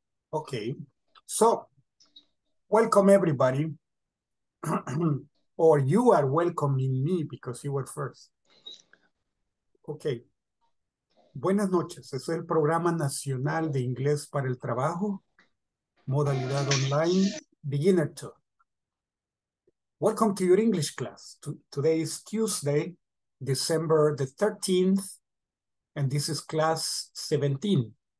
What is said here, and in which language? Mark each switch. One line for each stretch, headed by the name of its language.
English: Okay, so welcome everybody, or you are welcoming me because you were first. Okay.
Spanish: Buenas noches, es el programa nacional de inglés para el trabajo, modalidad online, beginner talk.
English: Welcome to your English class. Today is Tuesday, December the 13th, and this is class 17.